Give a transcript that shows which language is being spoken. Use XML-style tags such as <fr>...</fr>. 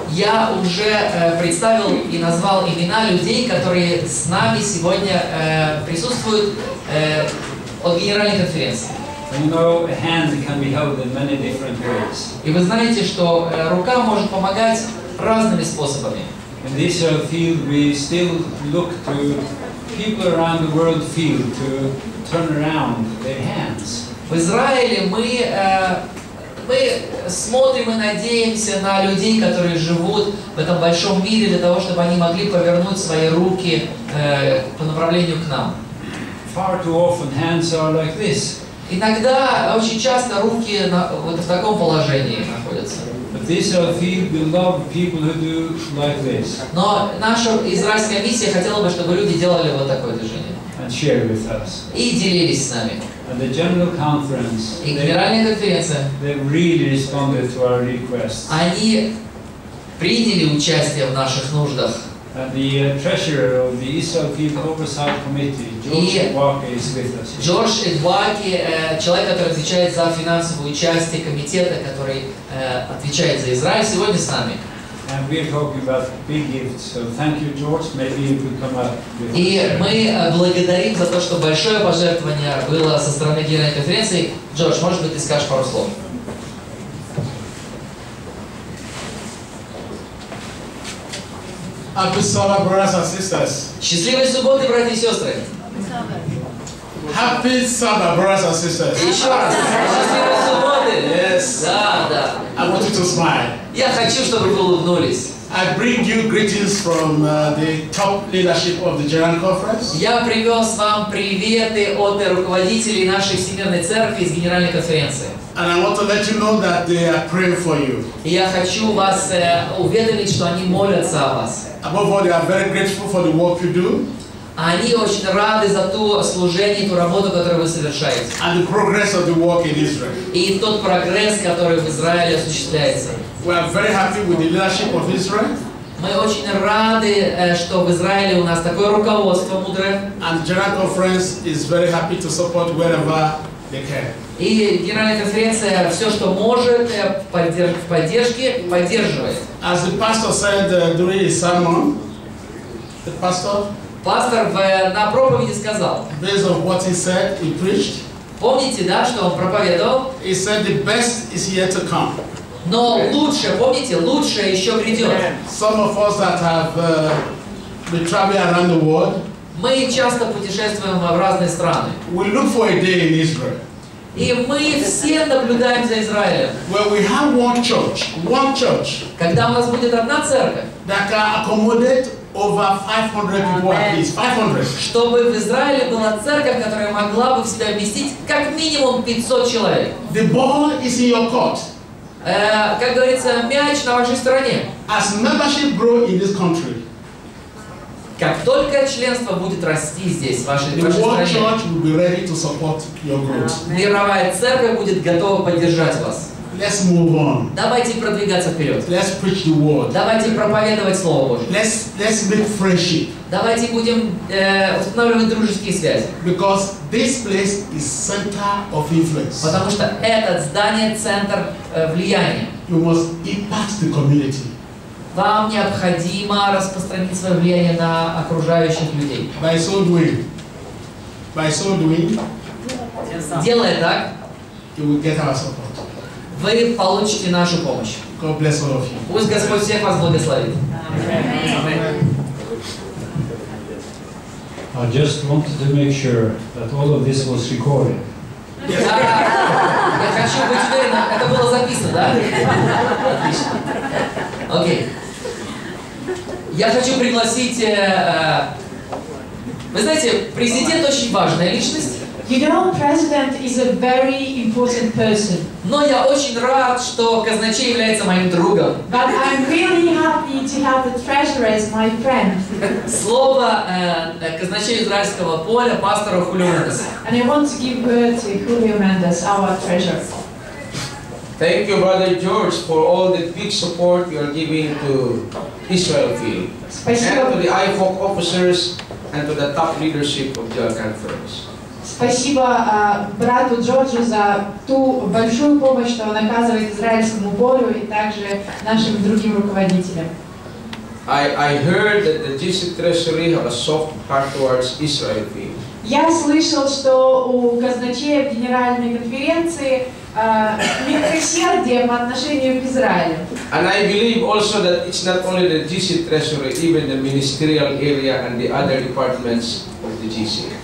<ru>Я уже представил и назвал имена людей, которые с нами сегодня присутствуют от генеральной конференции.</ru> <en>You know, a hand can be held in many different ways.</en> <ru>И вы знаете, что рука может помогать разными способами.</ru> <en>In this field, we still look to people around the world field to turn around their hands.</en> <ru>В Израиле мы смотрим и надеемся на людей, которые живут в этом большом мире, для того, чтобы они могли повернуть свои руки по направлению к нам.</ru> <en>Far too often, hands are like this.</en> <ru>Иногда, очень часто, руки вот в таком положении находятся.</ru> <en>But this field, we love people who do like this.</en> <ru>Но наша израильская миссия хотела бы, чтобы люди делали вот такое движение.</ru> <en>And share with us.</en> <ru>И делились с нами.</ru> <en>And the general conference,</en> <ru>и генеральная конференция,</ru> <en>they really responded to our requests.</en> <ru>Они приняли участие в наших нуждах.</ru> <en>And the treasurer of the ESLP Oversight Committee, George Edwaki, is with us.</en> <ru>Джордж Эдваки, человек, который отвечает за финансовую часть комитета, который отвечает за Израиль, сегодня с нами.</ru> <en>And we're talking about big gifts, so thank you, George. Maybe you could come up.</en> <ru>И мы благодарим за то, что большое пожертвование было со стороны генеральной конференции. Джордж, может быть, ты скажешь пару слов?</ru> <en>Happy Sabbath, brothers and sisters.</en> <ru>Счастливой субботы, братья и сестры.</ru> <en>Happy Sabbath, brothers and sisters.</en> <ru>Еще раз. Счастливой субботы.</ru> <en>Yes.</en> <ru>Да, да.</ru> <en>I want you to smile.</en> <ru>Я хочу, чтобы вы улыбнулись.</ru> <en>I bring you greetings from the top leadership of the General Conference.</en> <ru>Я привез вам приветы от руководителей нашей Всемирной Церкви из Генеральной Конференции.</ru> <en>And I want to let you know that they are praying for you.</en> <ru>Я хочу вас уведомить, что они молятся о вас.</ru> <en>Above all, they are very grateful for the work you do.</en> <ru>Они очень рады за то служение, ту работу, которую вы совершаете.</ru> <en>And the progress of the work in Israel.</en> <ru>И тот прогресс, который в Израиле осуществляется.</ru> <en>We are very happy with the leadership of Israel.</en> <ru>Мы очень рады, что в Израиле у нас такое руководство мудрое.</ru> <en>And the General Conference is very happy to support wherever they can.</en> <ru>И Генеральная конференция все, что может, поддерживает.</ru> <en>As the pastor said during his sermon, the pastor.</en> <ru>Пастор на проповеди сказал.</ru> <en>Based on what he said, he preached.</en> <ru>Помните, да, что он проповедовал?</ru> <en>He said the best is yet to come.</en> <ru>Но лучше, помните, лучшее еще придет.</ru> <en>Some of us that have been traveling around the world.</en> <ru>Мы часто путешествуем в разные страны.</ru> <en>We look for a day in Israel.</en> <ru>И мы все наблюдаем за Израилем.</ru> <en>Where we have one church,</en> <ru>когда у нас будет одна церковь,</ru> <en>that can accommodate over 500 people at least, 500.</en> <ru>Чтобы в Израиле была церковь, которая могла бы в себя вместить как минимум 500 человек.</ru> <en>The ball is in your court.</en> <ru>Как говорится, мяч на вашей стороне.</ru> <en>As membership grows in this country,</en> <ru>как только членство будет расти здесь, в вашей стране,</ru> <en>the world church will be ready to support your growth.</en> <ru>Мировая церковь будет готова поддержать вас.</ru> <en>Let's move on.</en> <ru>Давайте продвигаться вперед.</ru> <en>Let's preach the word.</en> <ru>Давайте проповедовать Слово Божие.</ru> <en>Let's make friendship.</en> <ru>Давайте будем устанавливать дружеские связи.</ru> <en>Because this place is center of influence.</en> <ru>Потому что этот здание – центр влияния.</ru> <en>You must impact the community.</en> <ru>Вам необходимо распространить свое влияние на окружающих людей.</ru> <en>By so doing. By so doing.</en> <ru>Делая так.</ru> <en>You will get our support.</en> <ru>Вы получите нашу помощь.</ru> <en>God bless all of you.</en> <ru>Пусть Господь всех вас благословит.</ru> <en>I just wanted to make sure that all of this was recorded. Yes.</en> <ru>Я хочу быть уверен, это было записано, да? Отлично. Окей. Я хочу пригласить... Вы знаете, президент очень важная личность.</ru> <en>You know, president is a very important person.</en> <ru>Но я очень рад, что казначей является моим другом.</ru> <en>But I'm really happy to have the treasurer as my friend.</en> <ru>Слово казначей израильского поля пастору Хулио Мендес.</ru> <en>And I want to give word to Julio Mendes, our treasurer. Thank you, Brother George, for all the big support you are giving to Israel Field.</en> <ru>Спасибо.</ru> <en>And to the IFOC officers and to the top leadership of the conference.</en> <ru>Спасибо брату Джорджу за ту большую помощь, что он оказывает израильскому Борю и также нашим другим руководителям.</ru> <en>I heard that the district treasury have a soft heart towards Israel people.</en> <ru>Я слышал, что у казначея в генеральной конференции милосердие по отношению к Израилю.</ru> <en>And I believe also that it's not only the GC treasury, even the ministerial area and the other departments of the GC.</en>